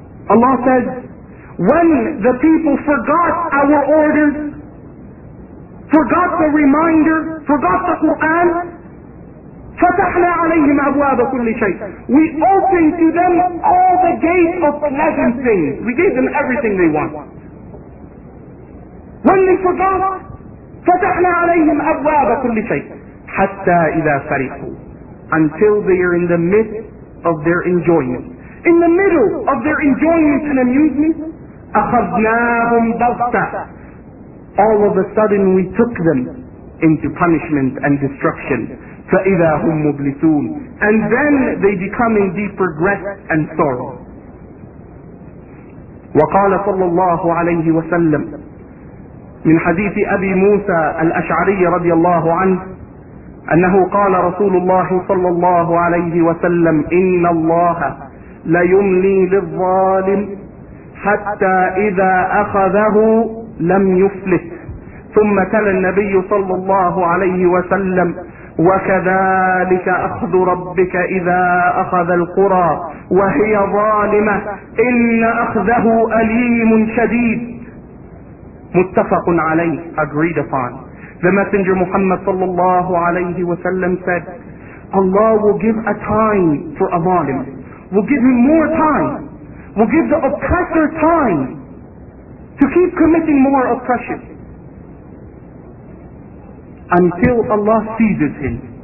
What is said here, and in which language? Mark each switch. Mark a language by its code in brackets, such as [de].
[en] Allah says, when the people forgot our orders, forgot the reminder, forgot the Quran, [ar] فَتَحْنَا عَلَيْهِمْ أَبْوَابَ كُلِّ شَيْءٍ. [en] We opened to them all the gates of pleasant things. We gave them everything they want. When they forgot, [ar] فَتَحْنَا عَلَيْهِمْ أَبْوَابَ كُلِّ شَيْءٍ. حَتَّى إِذَا فَرِحُوا. [en] Until they are in the midst of their enjoyment. In the middle of their enjoyment and amusement, [ar] أَخَذْنَاهُمْ بَغْتَةً. [en] All of a sudden we took them into punishment and destruction. [ar] فَإِذَا هُمْ مُبْلِسُونَ. [en] And then they become in deep regret and sorrow. [ar] وَقَالَ صَلَّى اللَّهُ عَلَيْهِ وَسَلَّمْ من حديث أبي موسى الأشعري رضي الله عنه أنه قال رسول الله صلى الله عليه وسلم إن الله ليملي للظالم حتى إذا أخذه لم يفلت. ثم تلا النبي صلى الله عليه وسلم وكذلك أخذ ربك إذا أخذ القرى وهي ظالمة إن أخذه أليم شديد. متفق عليه, [en] agreed upon. The Messenger Muhammad sallallahu alayhi wa sallam said, Allah will give a time for a zalim, will give him more time, will give the oppressor time to keep committing more oppression until Allah seizes him.